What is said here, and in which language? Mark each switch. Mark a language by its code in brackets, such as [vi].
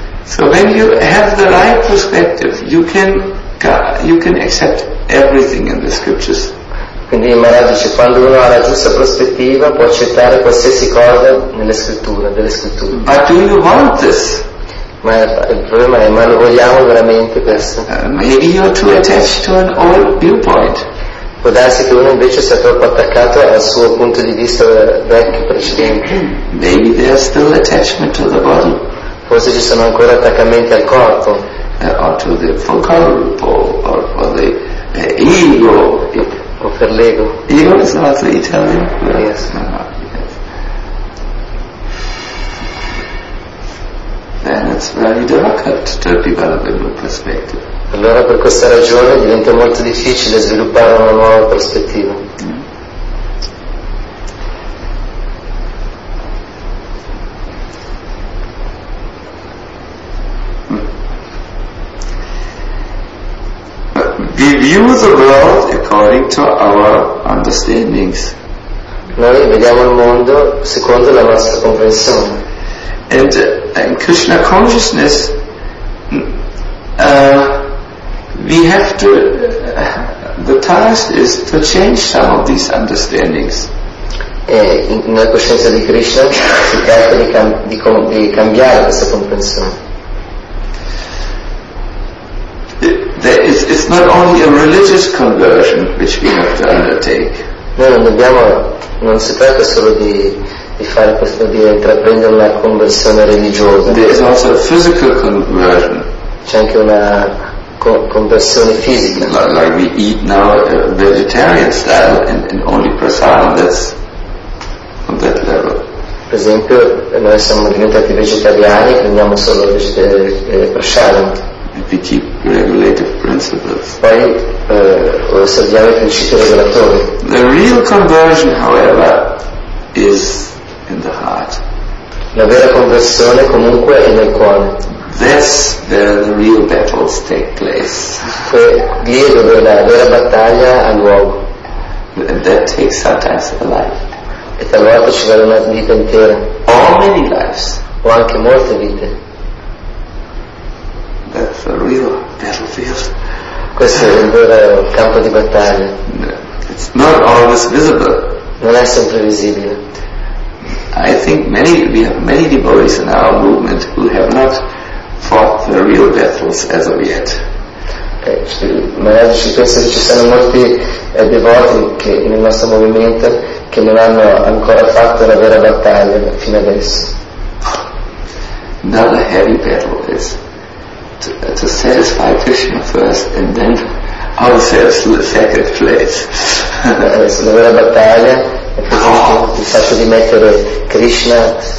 [en] So when you have the right perspective, you can accept everything in the scriptures. [it] Quindi Maharaj dice, quando uno ha la giusta prospettiva può accettare qualsiasi cosa nelle scritture, delle scritture. [en] But do you want this? [it] Ma il problema è, ma lo vogliamo veramente questo? [en] Maybe you're too attached to an old viewpoint. [it] Può darsi che uno invece sia troppo attaccato al suo punto di vista vecchio, precedente. [en] Maybe there's still attachment to the body. [it] Forse ci sono ancora attaccamenti al corpo. [en] Or to the corpo, or for the ego. [it] O per l'ego. [en] Ego is not the Italian. Yes. Then it's very difficult to develop a new perspective. [it] Allora per questa ragione diventa molto difficile sviluppare una nuova prospettiva. [en] We view the world according to our understandings. [it] Noi vediamo il mondo secondo la nostra comprensione. [en] And in Krishna consciousness, we have to. The task is to change some of these understandings. [it] Nella coscienza di Krishna si tratta di cambiare questa comprensione. [en] It's not only a religious conversion which we have to undertake. [it] No, non dobbiamo, non si tratta solo di fare questo, di intraprendere una conversione religiosa. [en] There is also a physical conversion. [it] C'è anche una conversione fisica. [en] Like we eat now a vegetarian style and only prasadam, that's on that level. [it] Per esempio, noi siamo diventati vegetariani, prendiamo solo prasadam. [en] We keep regulative principles. [it] Poi osserviamo i principi regolatori. [en] The real conversion, however, is in the heart. [it] La vera conversione comunque è nel cuore. [en] That's where the real battles take place. [it] Lì è dove la vera battaglia ha luogo. [en] And that takes sometimes a life. [it] E talvolta ci vuole una vita intera. [en] Or many lives. [it] O anche molte vite. [en] That's a real battlefield. [it] Questo è un vero campo di battaglia. [en] It's not always visible. [it] Non è sempre visibile. [en] I think we have many devotees in our movement who have not fought the real battles as of yet. [it] Magari ci penso che ci sono molti devoti che nel nostro movimento che non hanno ancora fatto la vera battaglia fino adesso. [en] Another heavy battle is to satisfy Krishna first and then ourselves to the second place. [it] La vera battaglia è il fatto di mettere Krishna